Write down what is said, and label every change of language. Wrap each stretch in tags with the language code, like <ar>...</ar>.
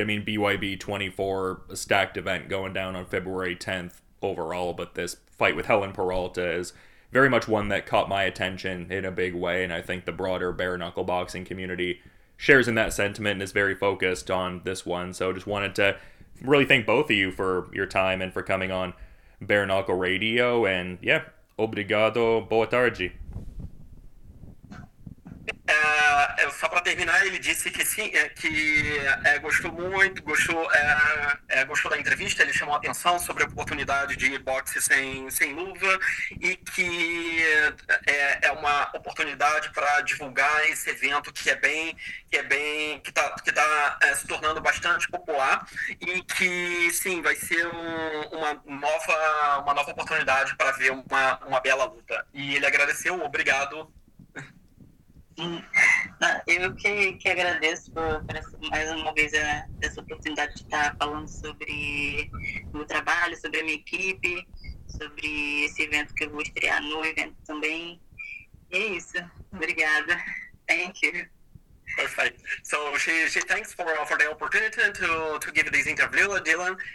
<en>I mean, BYB 24, a stacked event going down on February 10th overall, but this fight with Helen Peralta is very much one that caught my attention in a big way, and I think the broader bare knuckle boxing community shares in that sentiment and is very focused on this one. So just wanted to really thank both of you for your time and for coming on Bare Knuckle Radio, and yeah,</en> <pt>obrigado, boa tarde. Só para terminar, ele disse que sim, que gostou muito, gostou da entrevista, ele chamou a atenção sobre a oportunidade de boxe sem luva e que é uma oportunidade para divulgar esse evento que está se tornando bastante popular e que sim, vai ser uma nova oportunidade para ver uma bela luta. E ele agradeceu, obrigado. Eu que agradeço por mais uma vez essa oportunidade de estar falando sobre o meu trabalho, sobre a minha equipe, sobre esse evento que eu vou estrear no evento também. E é isso. Obrigada.</pt> <en>Thank you. Perfect. So she thanks for the opportunity to give this interview, Dylan.</en>